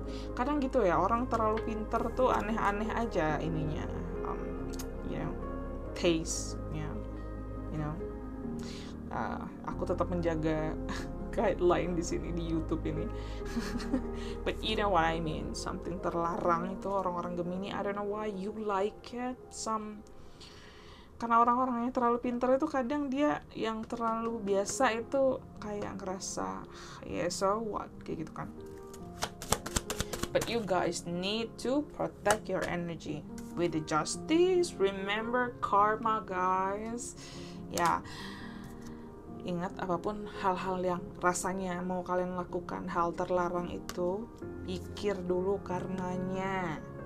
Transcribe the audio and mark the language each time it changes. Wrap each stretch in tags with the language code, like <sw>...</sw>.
<id>Kadang gitu ya, orang terlalu pinter tuh aneh-aneh aja ininya, you know, taste-nya, you know. Aku tetap menjaga guideline di sini di YouTube ini.</id> <en>But you know what I mean, something terlarang itu orang-orang Gemini, I don't know why you like it.</en> <id>Some karena orang-orang yang terlalu pintar itu kadang dia yang terlalu biasa itu kayak ngerasa yeah, so what kayak gitu kan.</id> <en>But you guys need to protect your energy with the justice, remember karma guys.</en> <id>Ya. Ingat apapun hal-hal yang rasanya mau kalian lakukan hal terlarang itu, pikir dulu karenanya.</id>